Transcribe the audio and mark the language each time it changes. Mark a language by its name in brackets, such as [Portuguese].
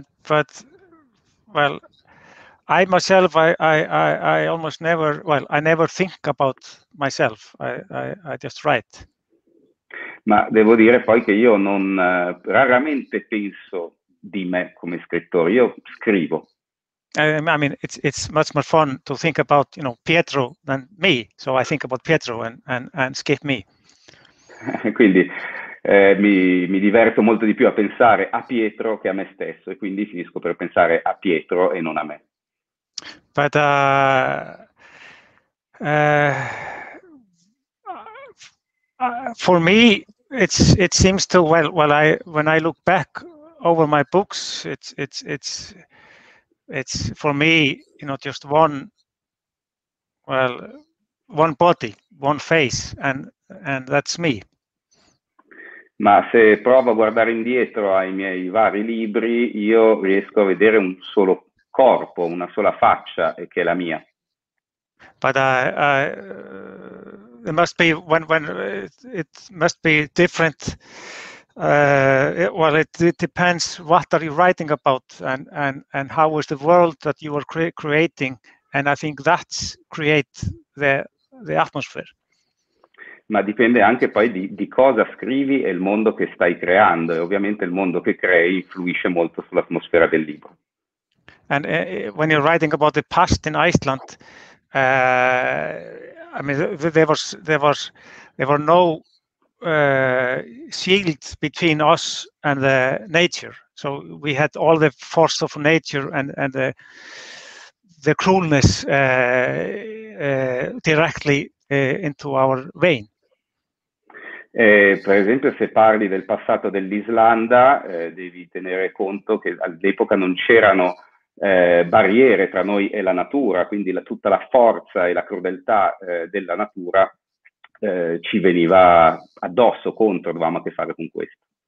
[English] Well, I myself, I almost never, well, I never think about myself. I just write. [Italian] Ma devo dire poi che io non raramente penso di me come scrittore, io scrivo. [English] I mean, it's much more fun to think about, Pietro than me. So I think about Pietro and skip me. [Italian] Quindi mi diverto molto di più a pensare a Pietro che a me stesso, e quindi finisco per pensare a Pietro e non a me. [English] But for For me, it seems to, when I look back over my books, it's for me, you know, just one body, one face, and that's me. [Italian] Ma se provo a guardare indietro ai miei vari libri, io riesco a vedere un solo corpo, una sola faccia, e che è la mia. [English] But it must be when it must be different. It depends what are you writing about and how is the world that you are creating, and I think that's create the atmosphere. [Italian] Ma dipende anche poi di cosa scrivi e il mondo che stai creando, e ovviamente il mondo che crei influisce molto sull'atmosfera del libro. [English] And when you're writing about the past in Iceland, there were no shield between us and the nature. So we had all the force of nature and the cruelness directly into our vein. [Italian] Per esempio, se parli del passato dell'Islanda, devi tenere conto che all'epoca non c'erano barriere tra noi e la natura, quindi tutta la forza e la crudeltà della natura ci veniva addosso, contro, dovevamo a che fare con questo.